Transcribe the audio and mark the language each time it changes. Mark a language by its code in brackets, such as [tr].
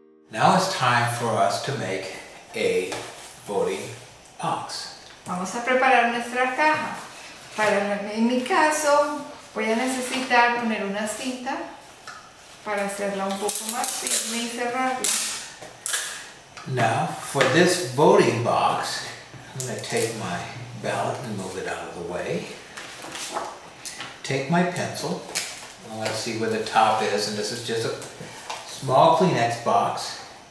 [en] Now it's time for us to make a voting box. [es] Vamos a preparar nuestra caja. Para, en mi caso, voy a necesitar poner una cinta para hacerla un poco más firme y cerrarla. [en] Now, for this voting box, I'm going to take my ballot and move it out of the way. Take my pencil. I want to see where the top is, and this is just a small Kleenex box.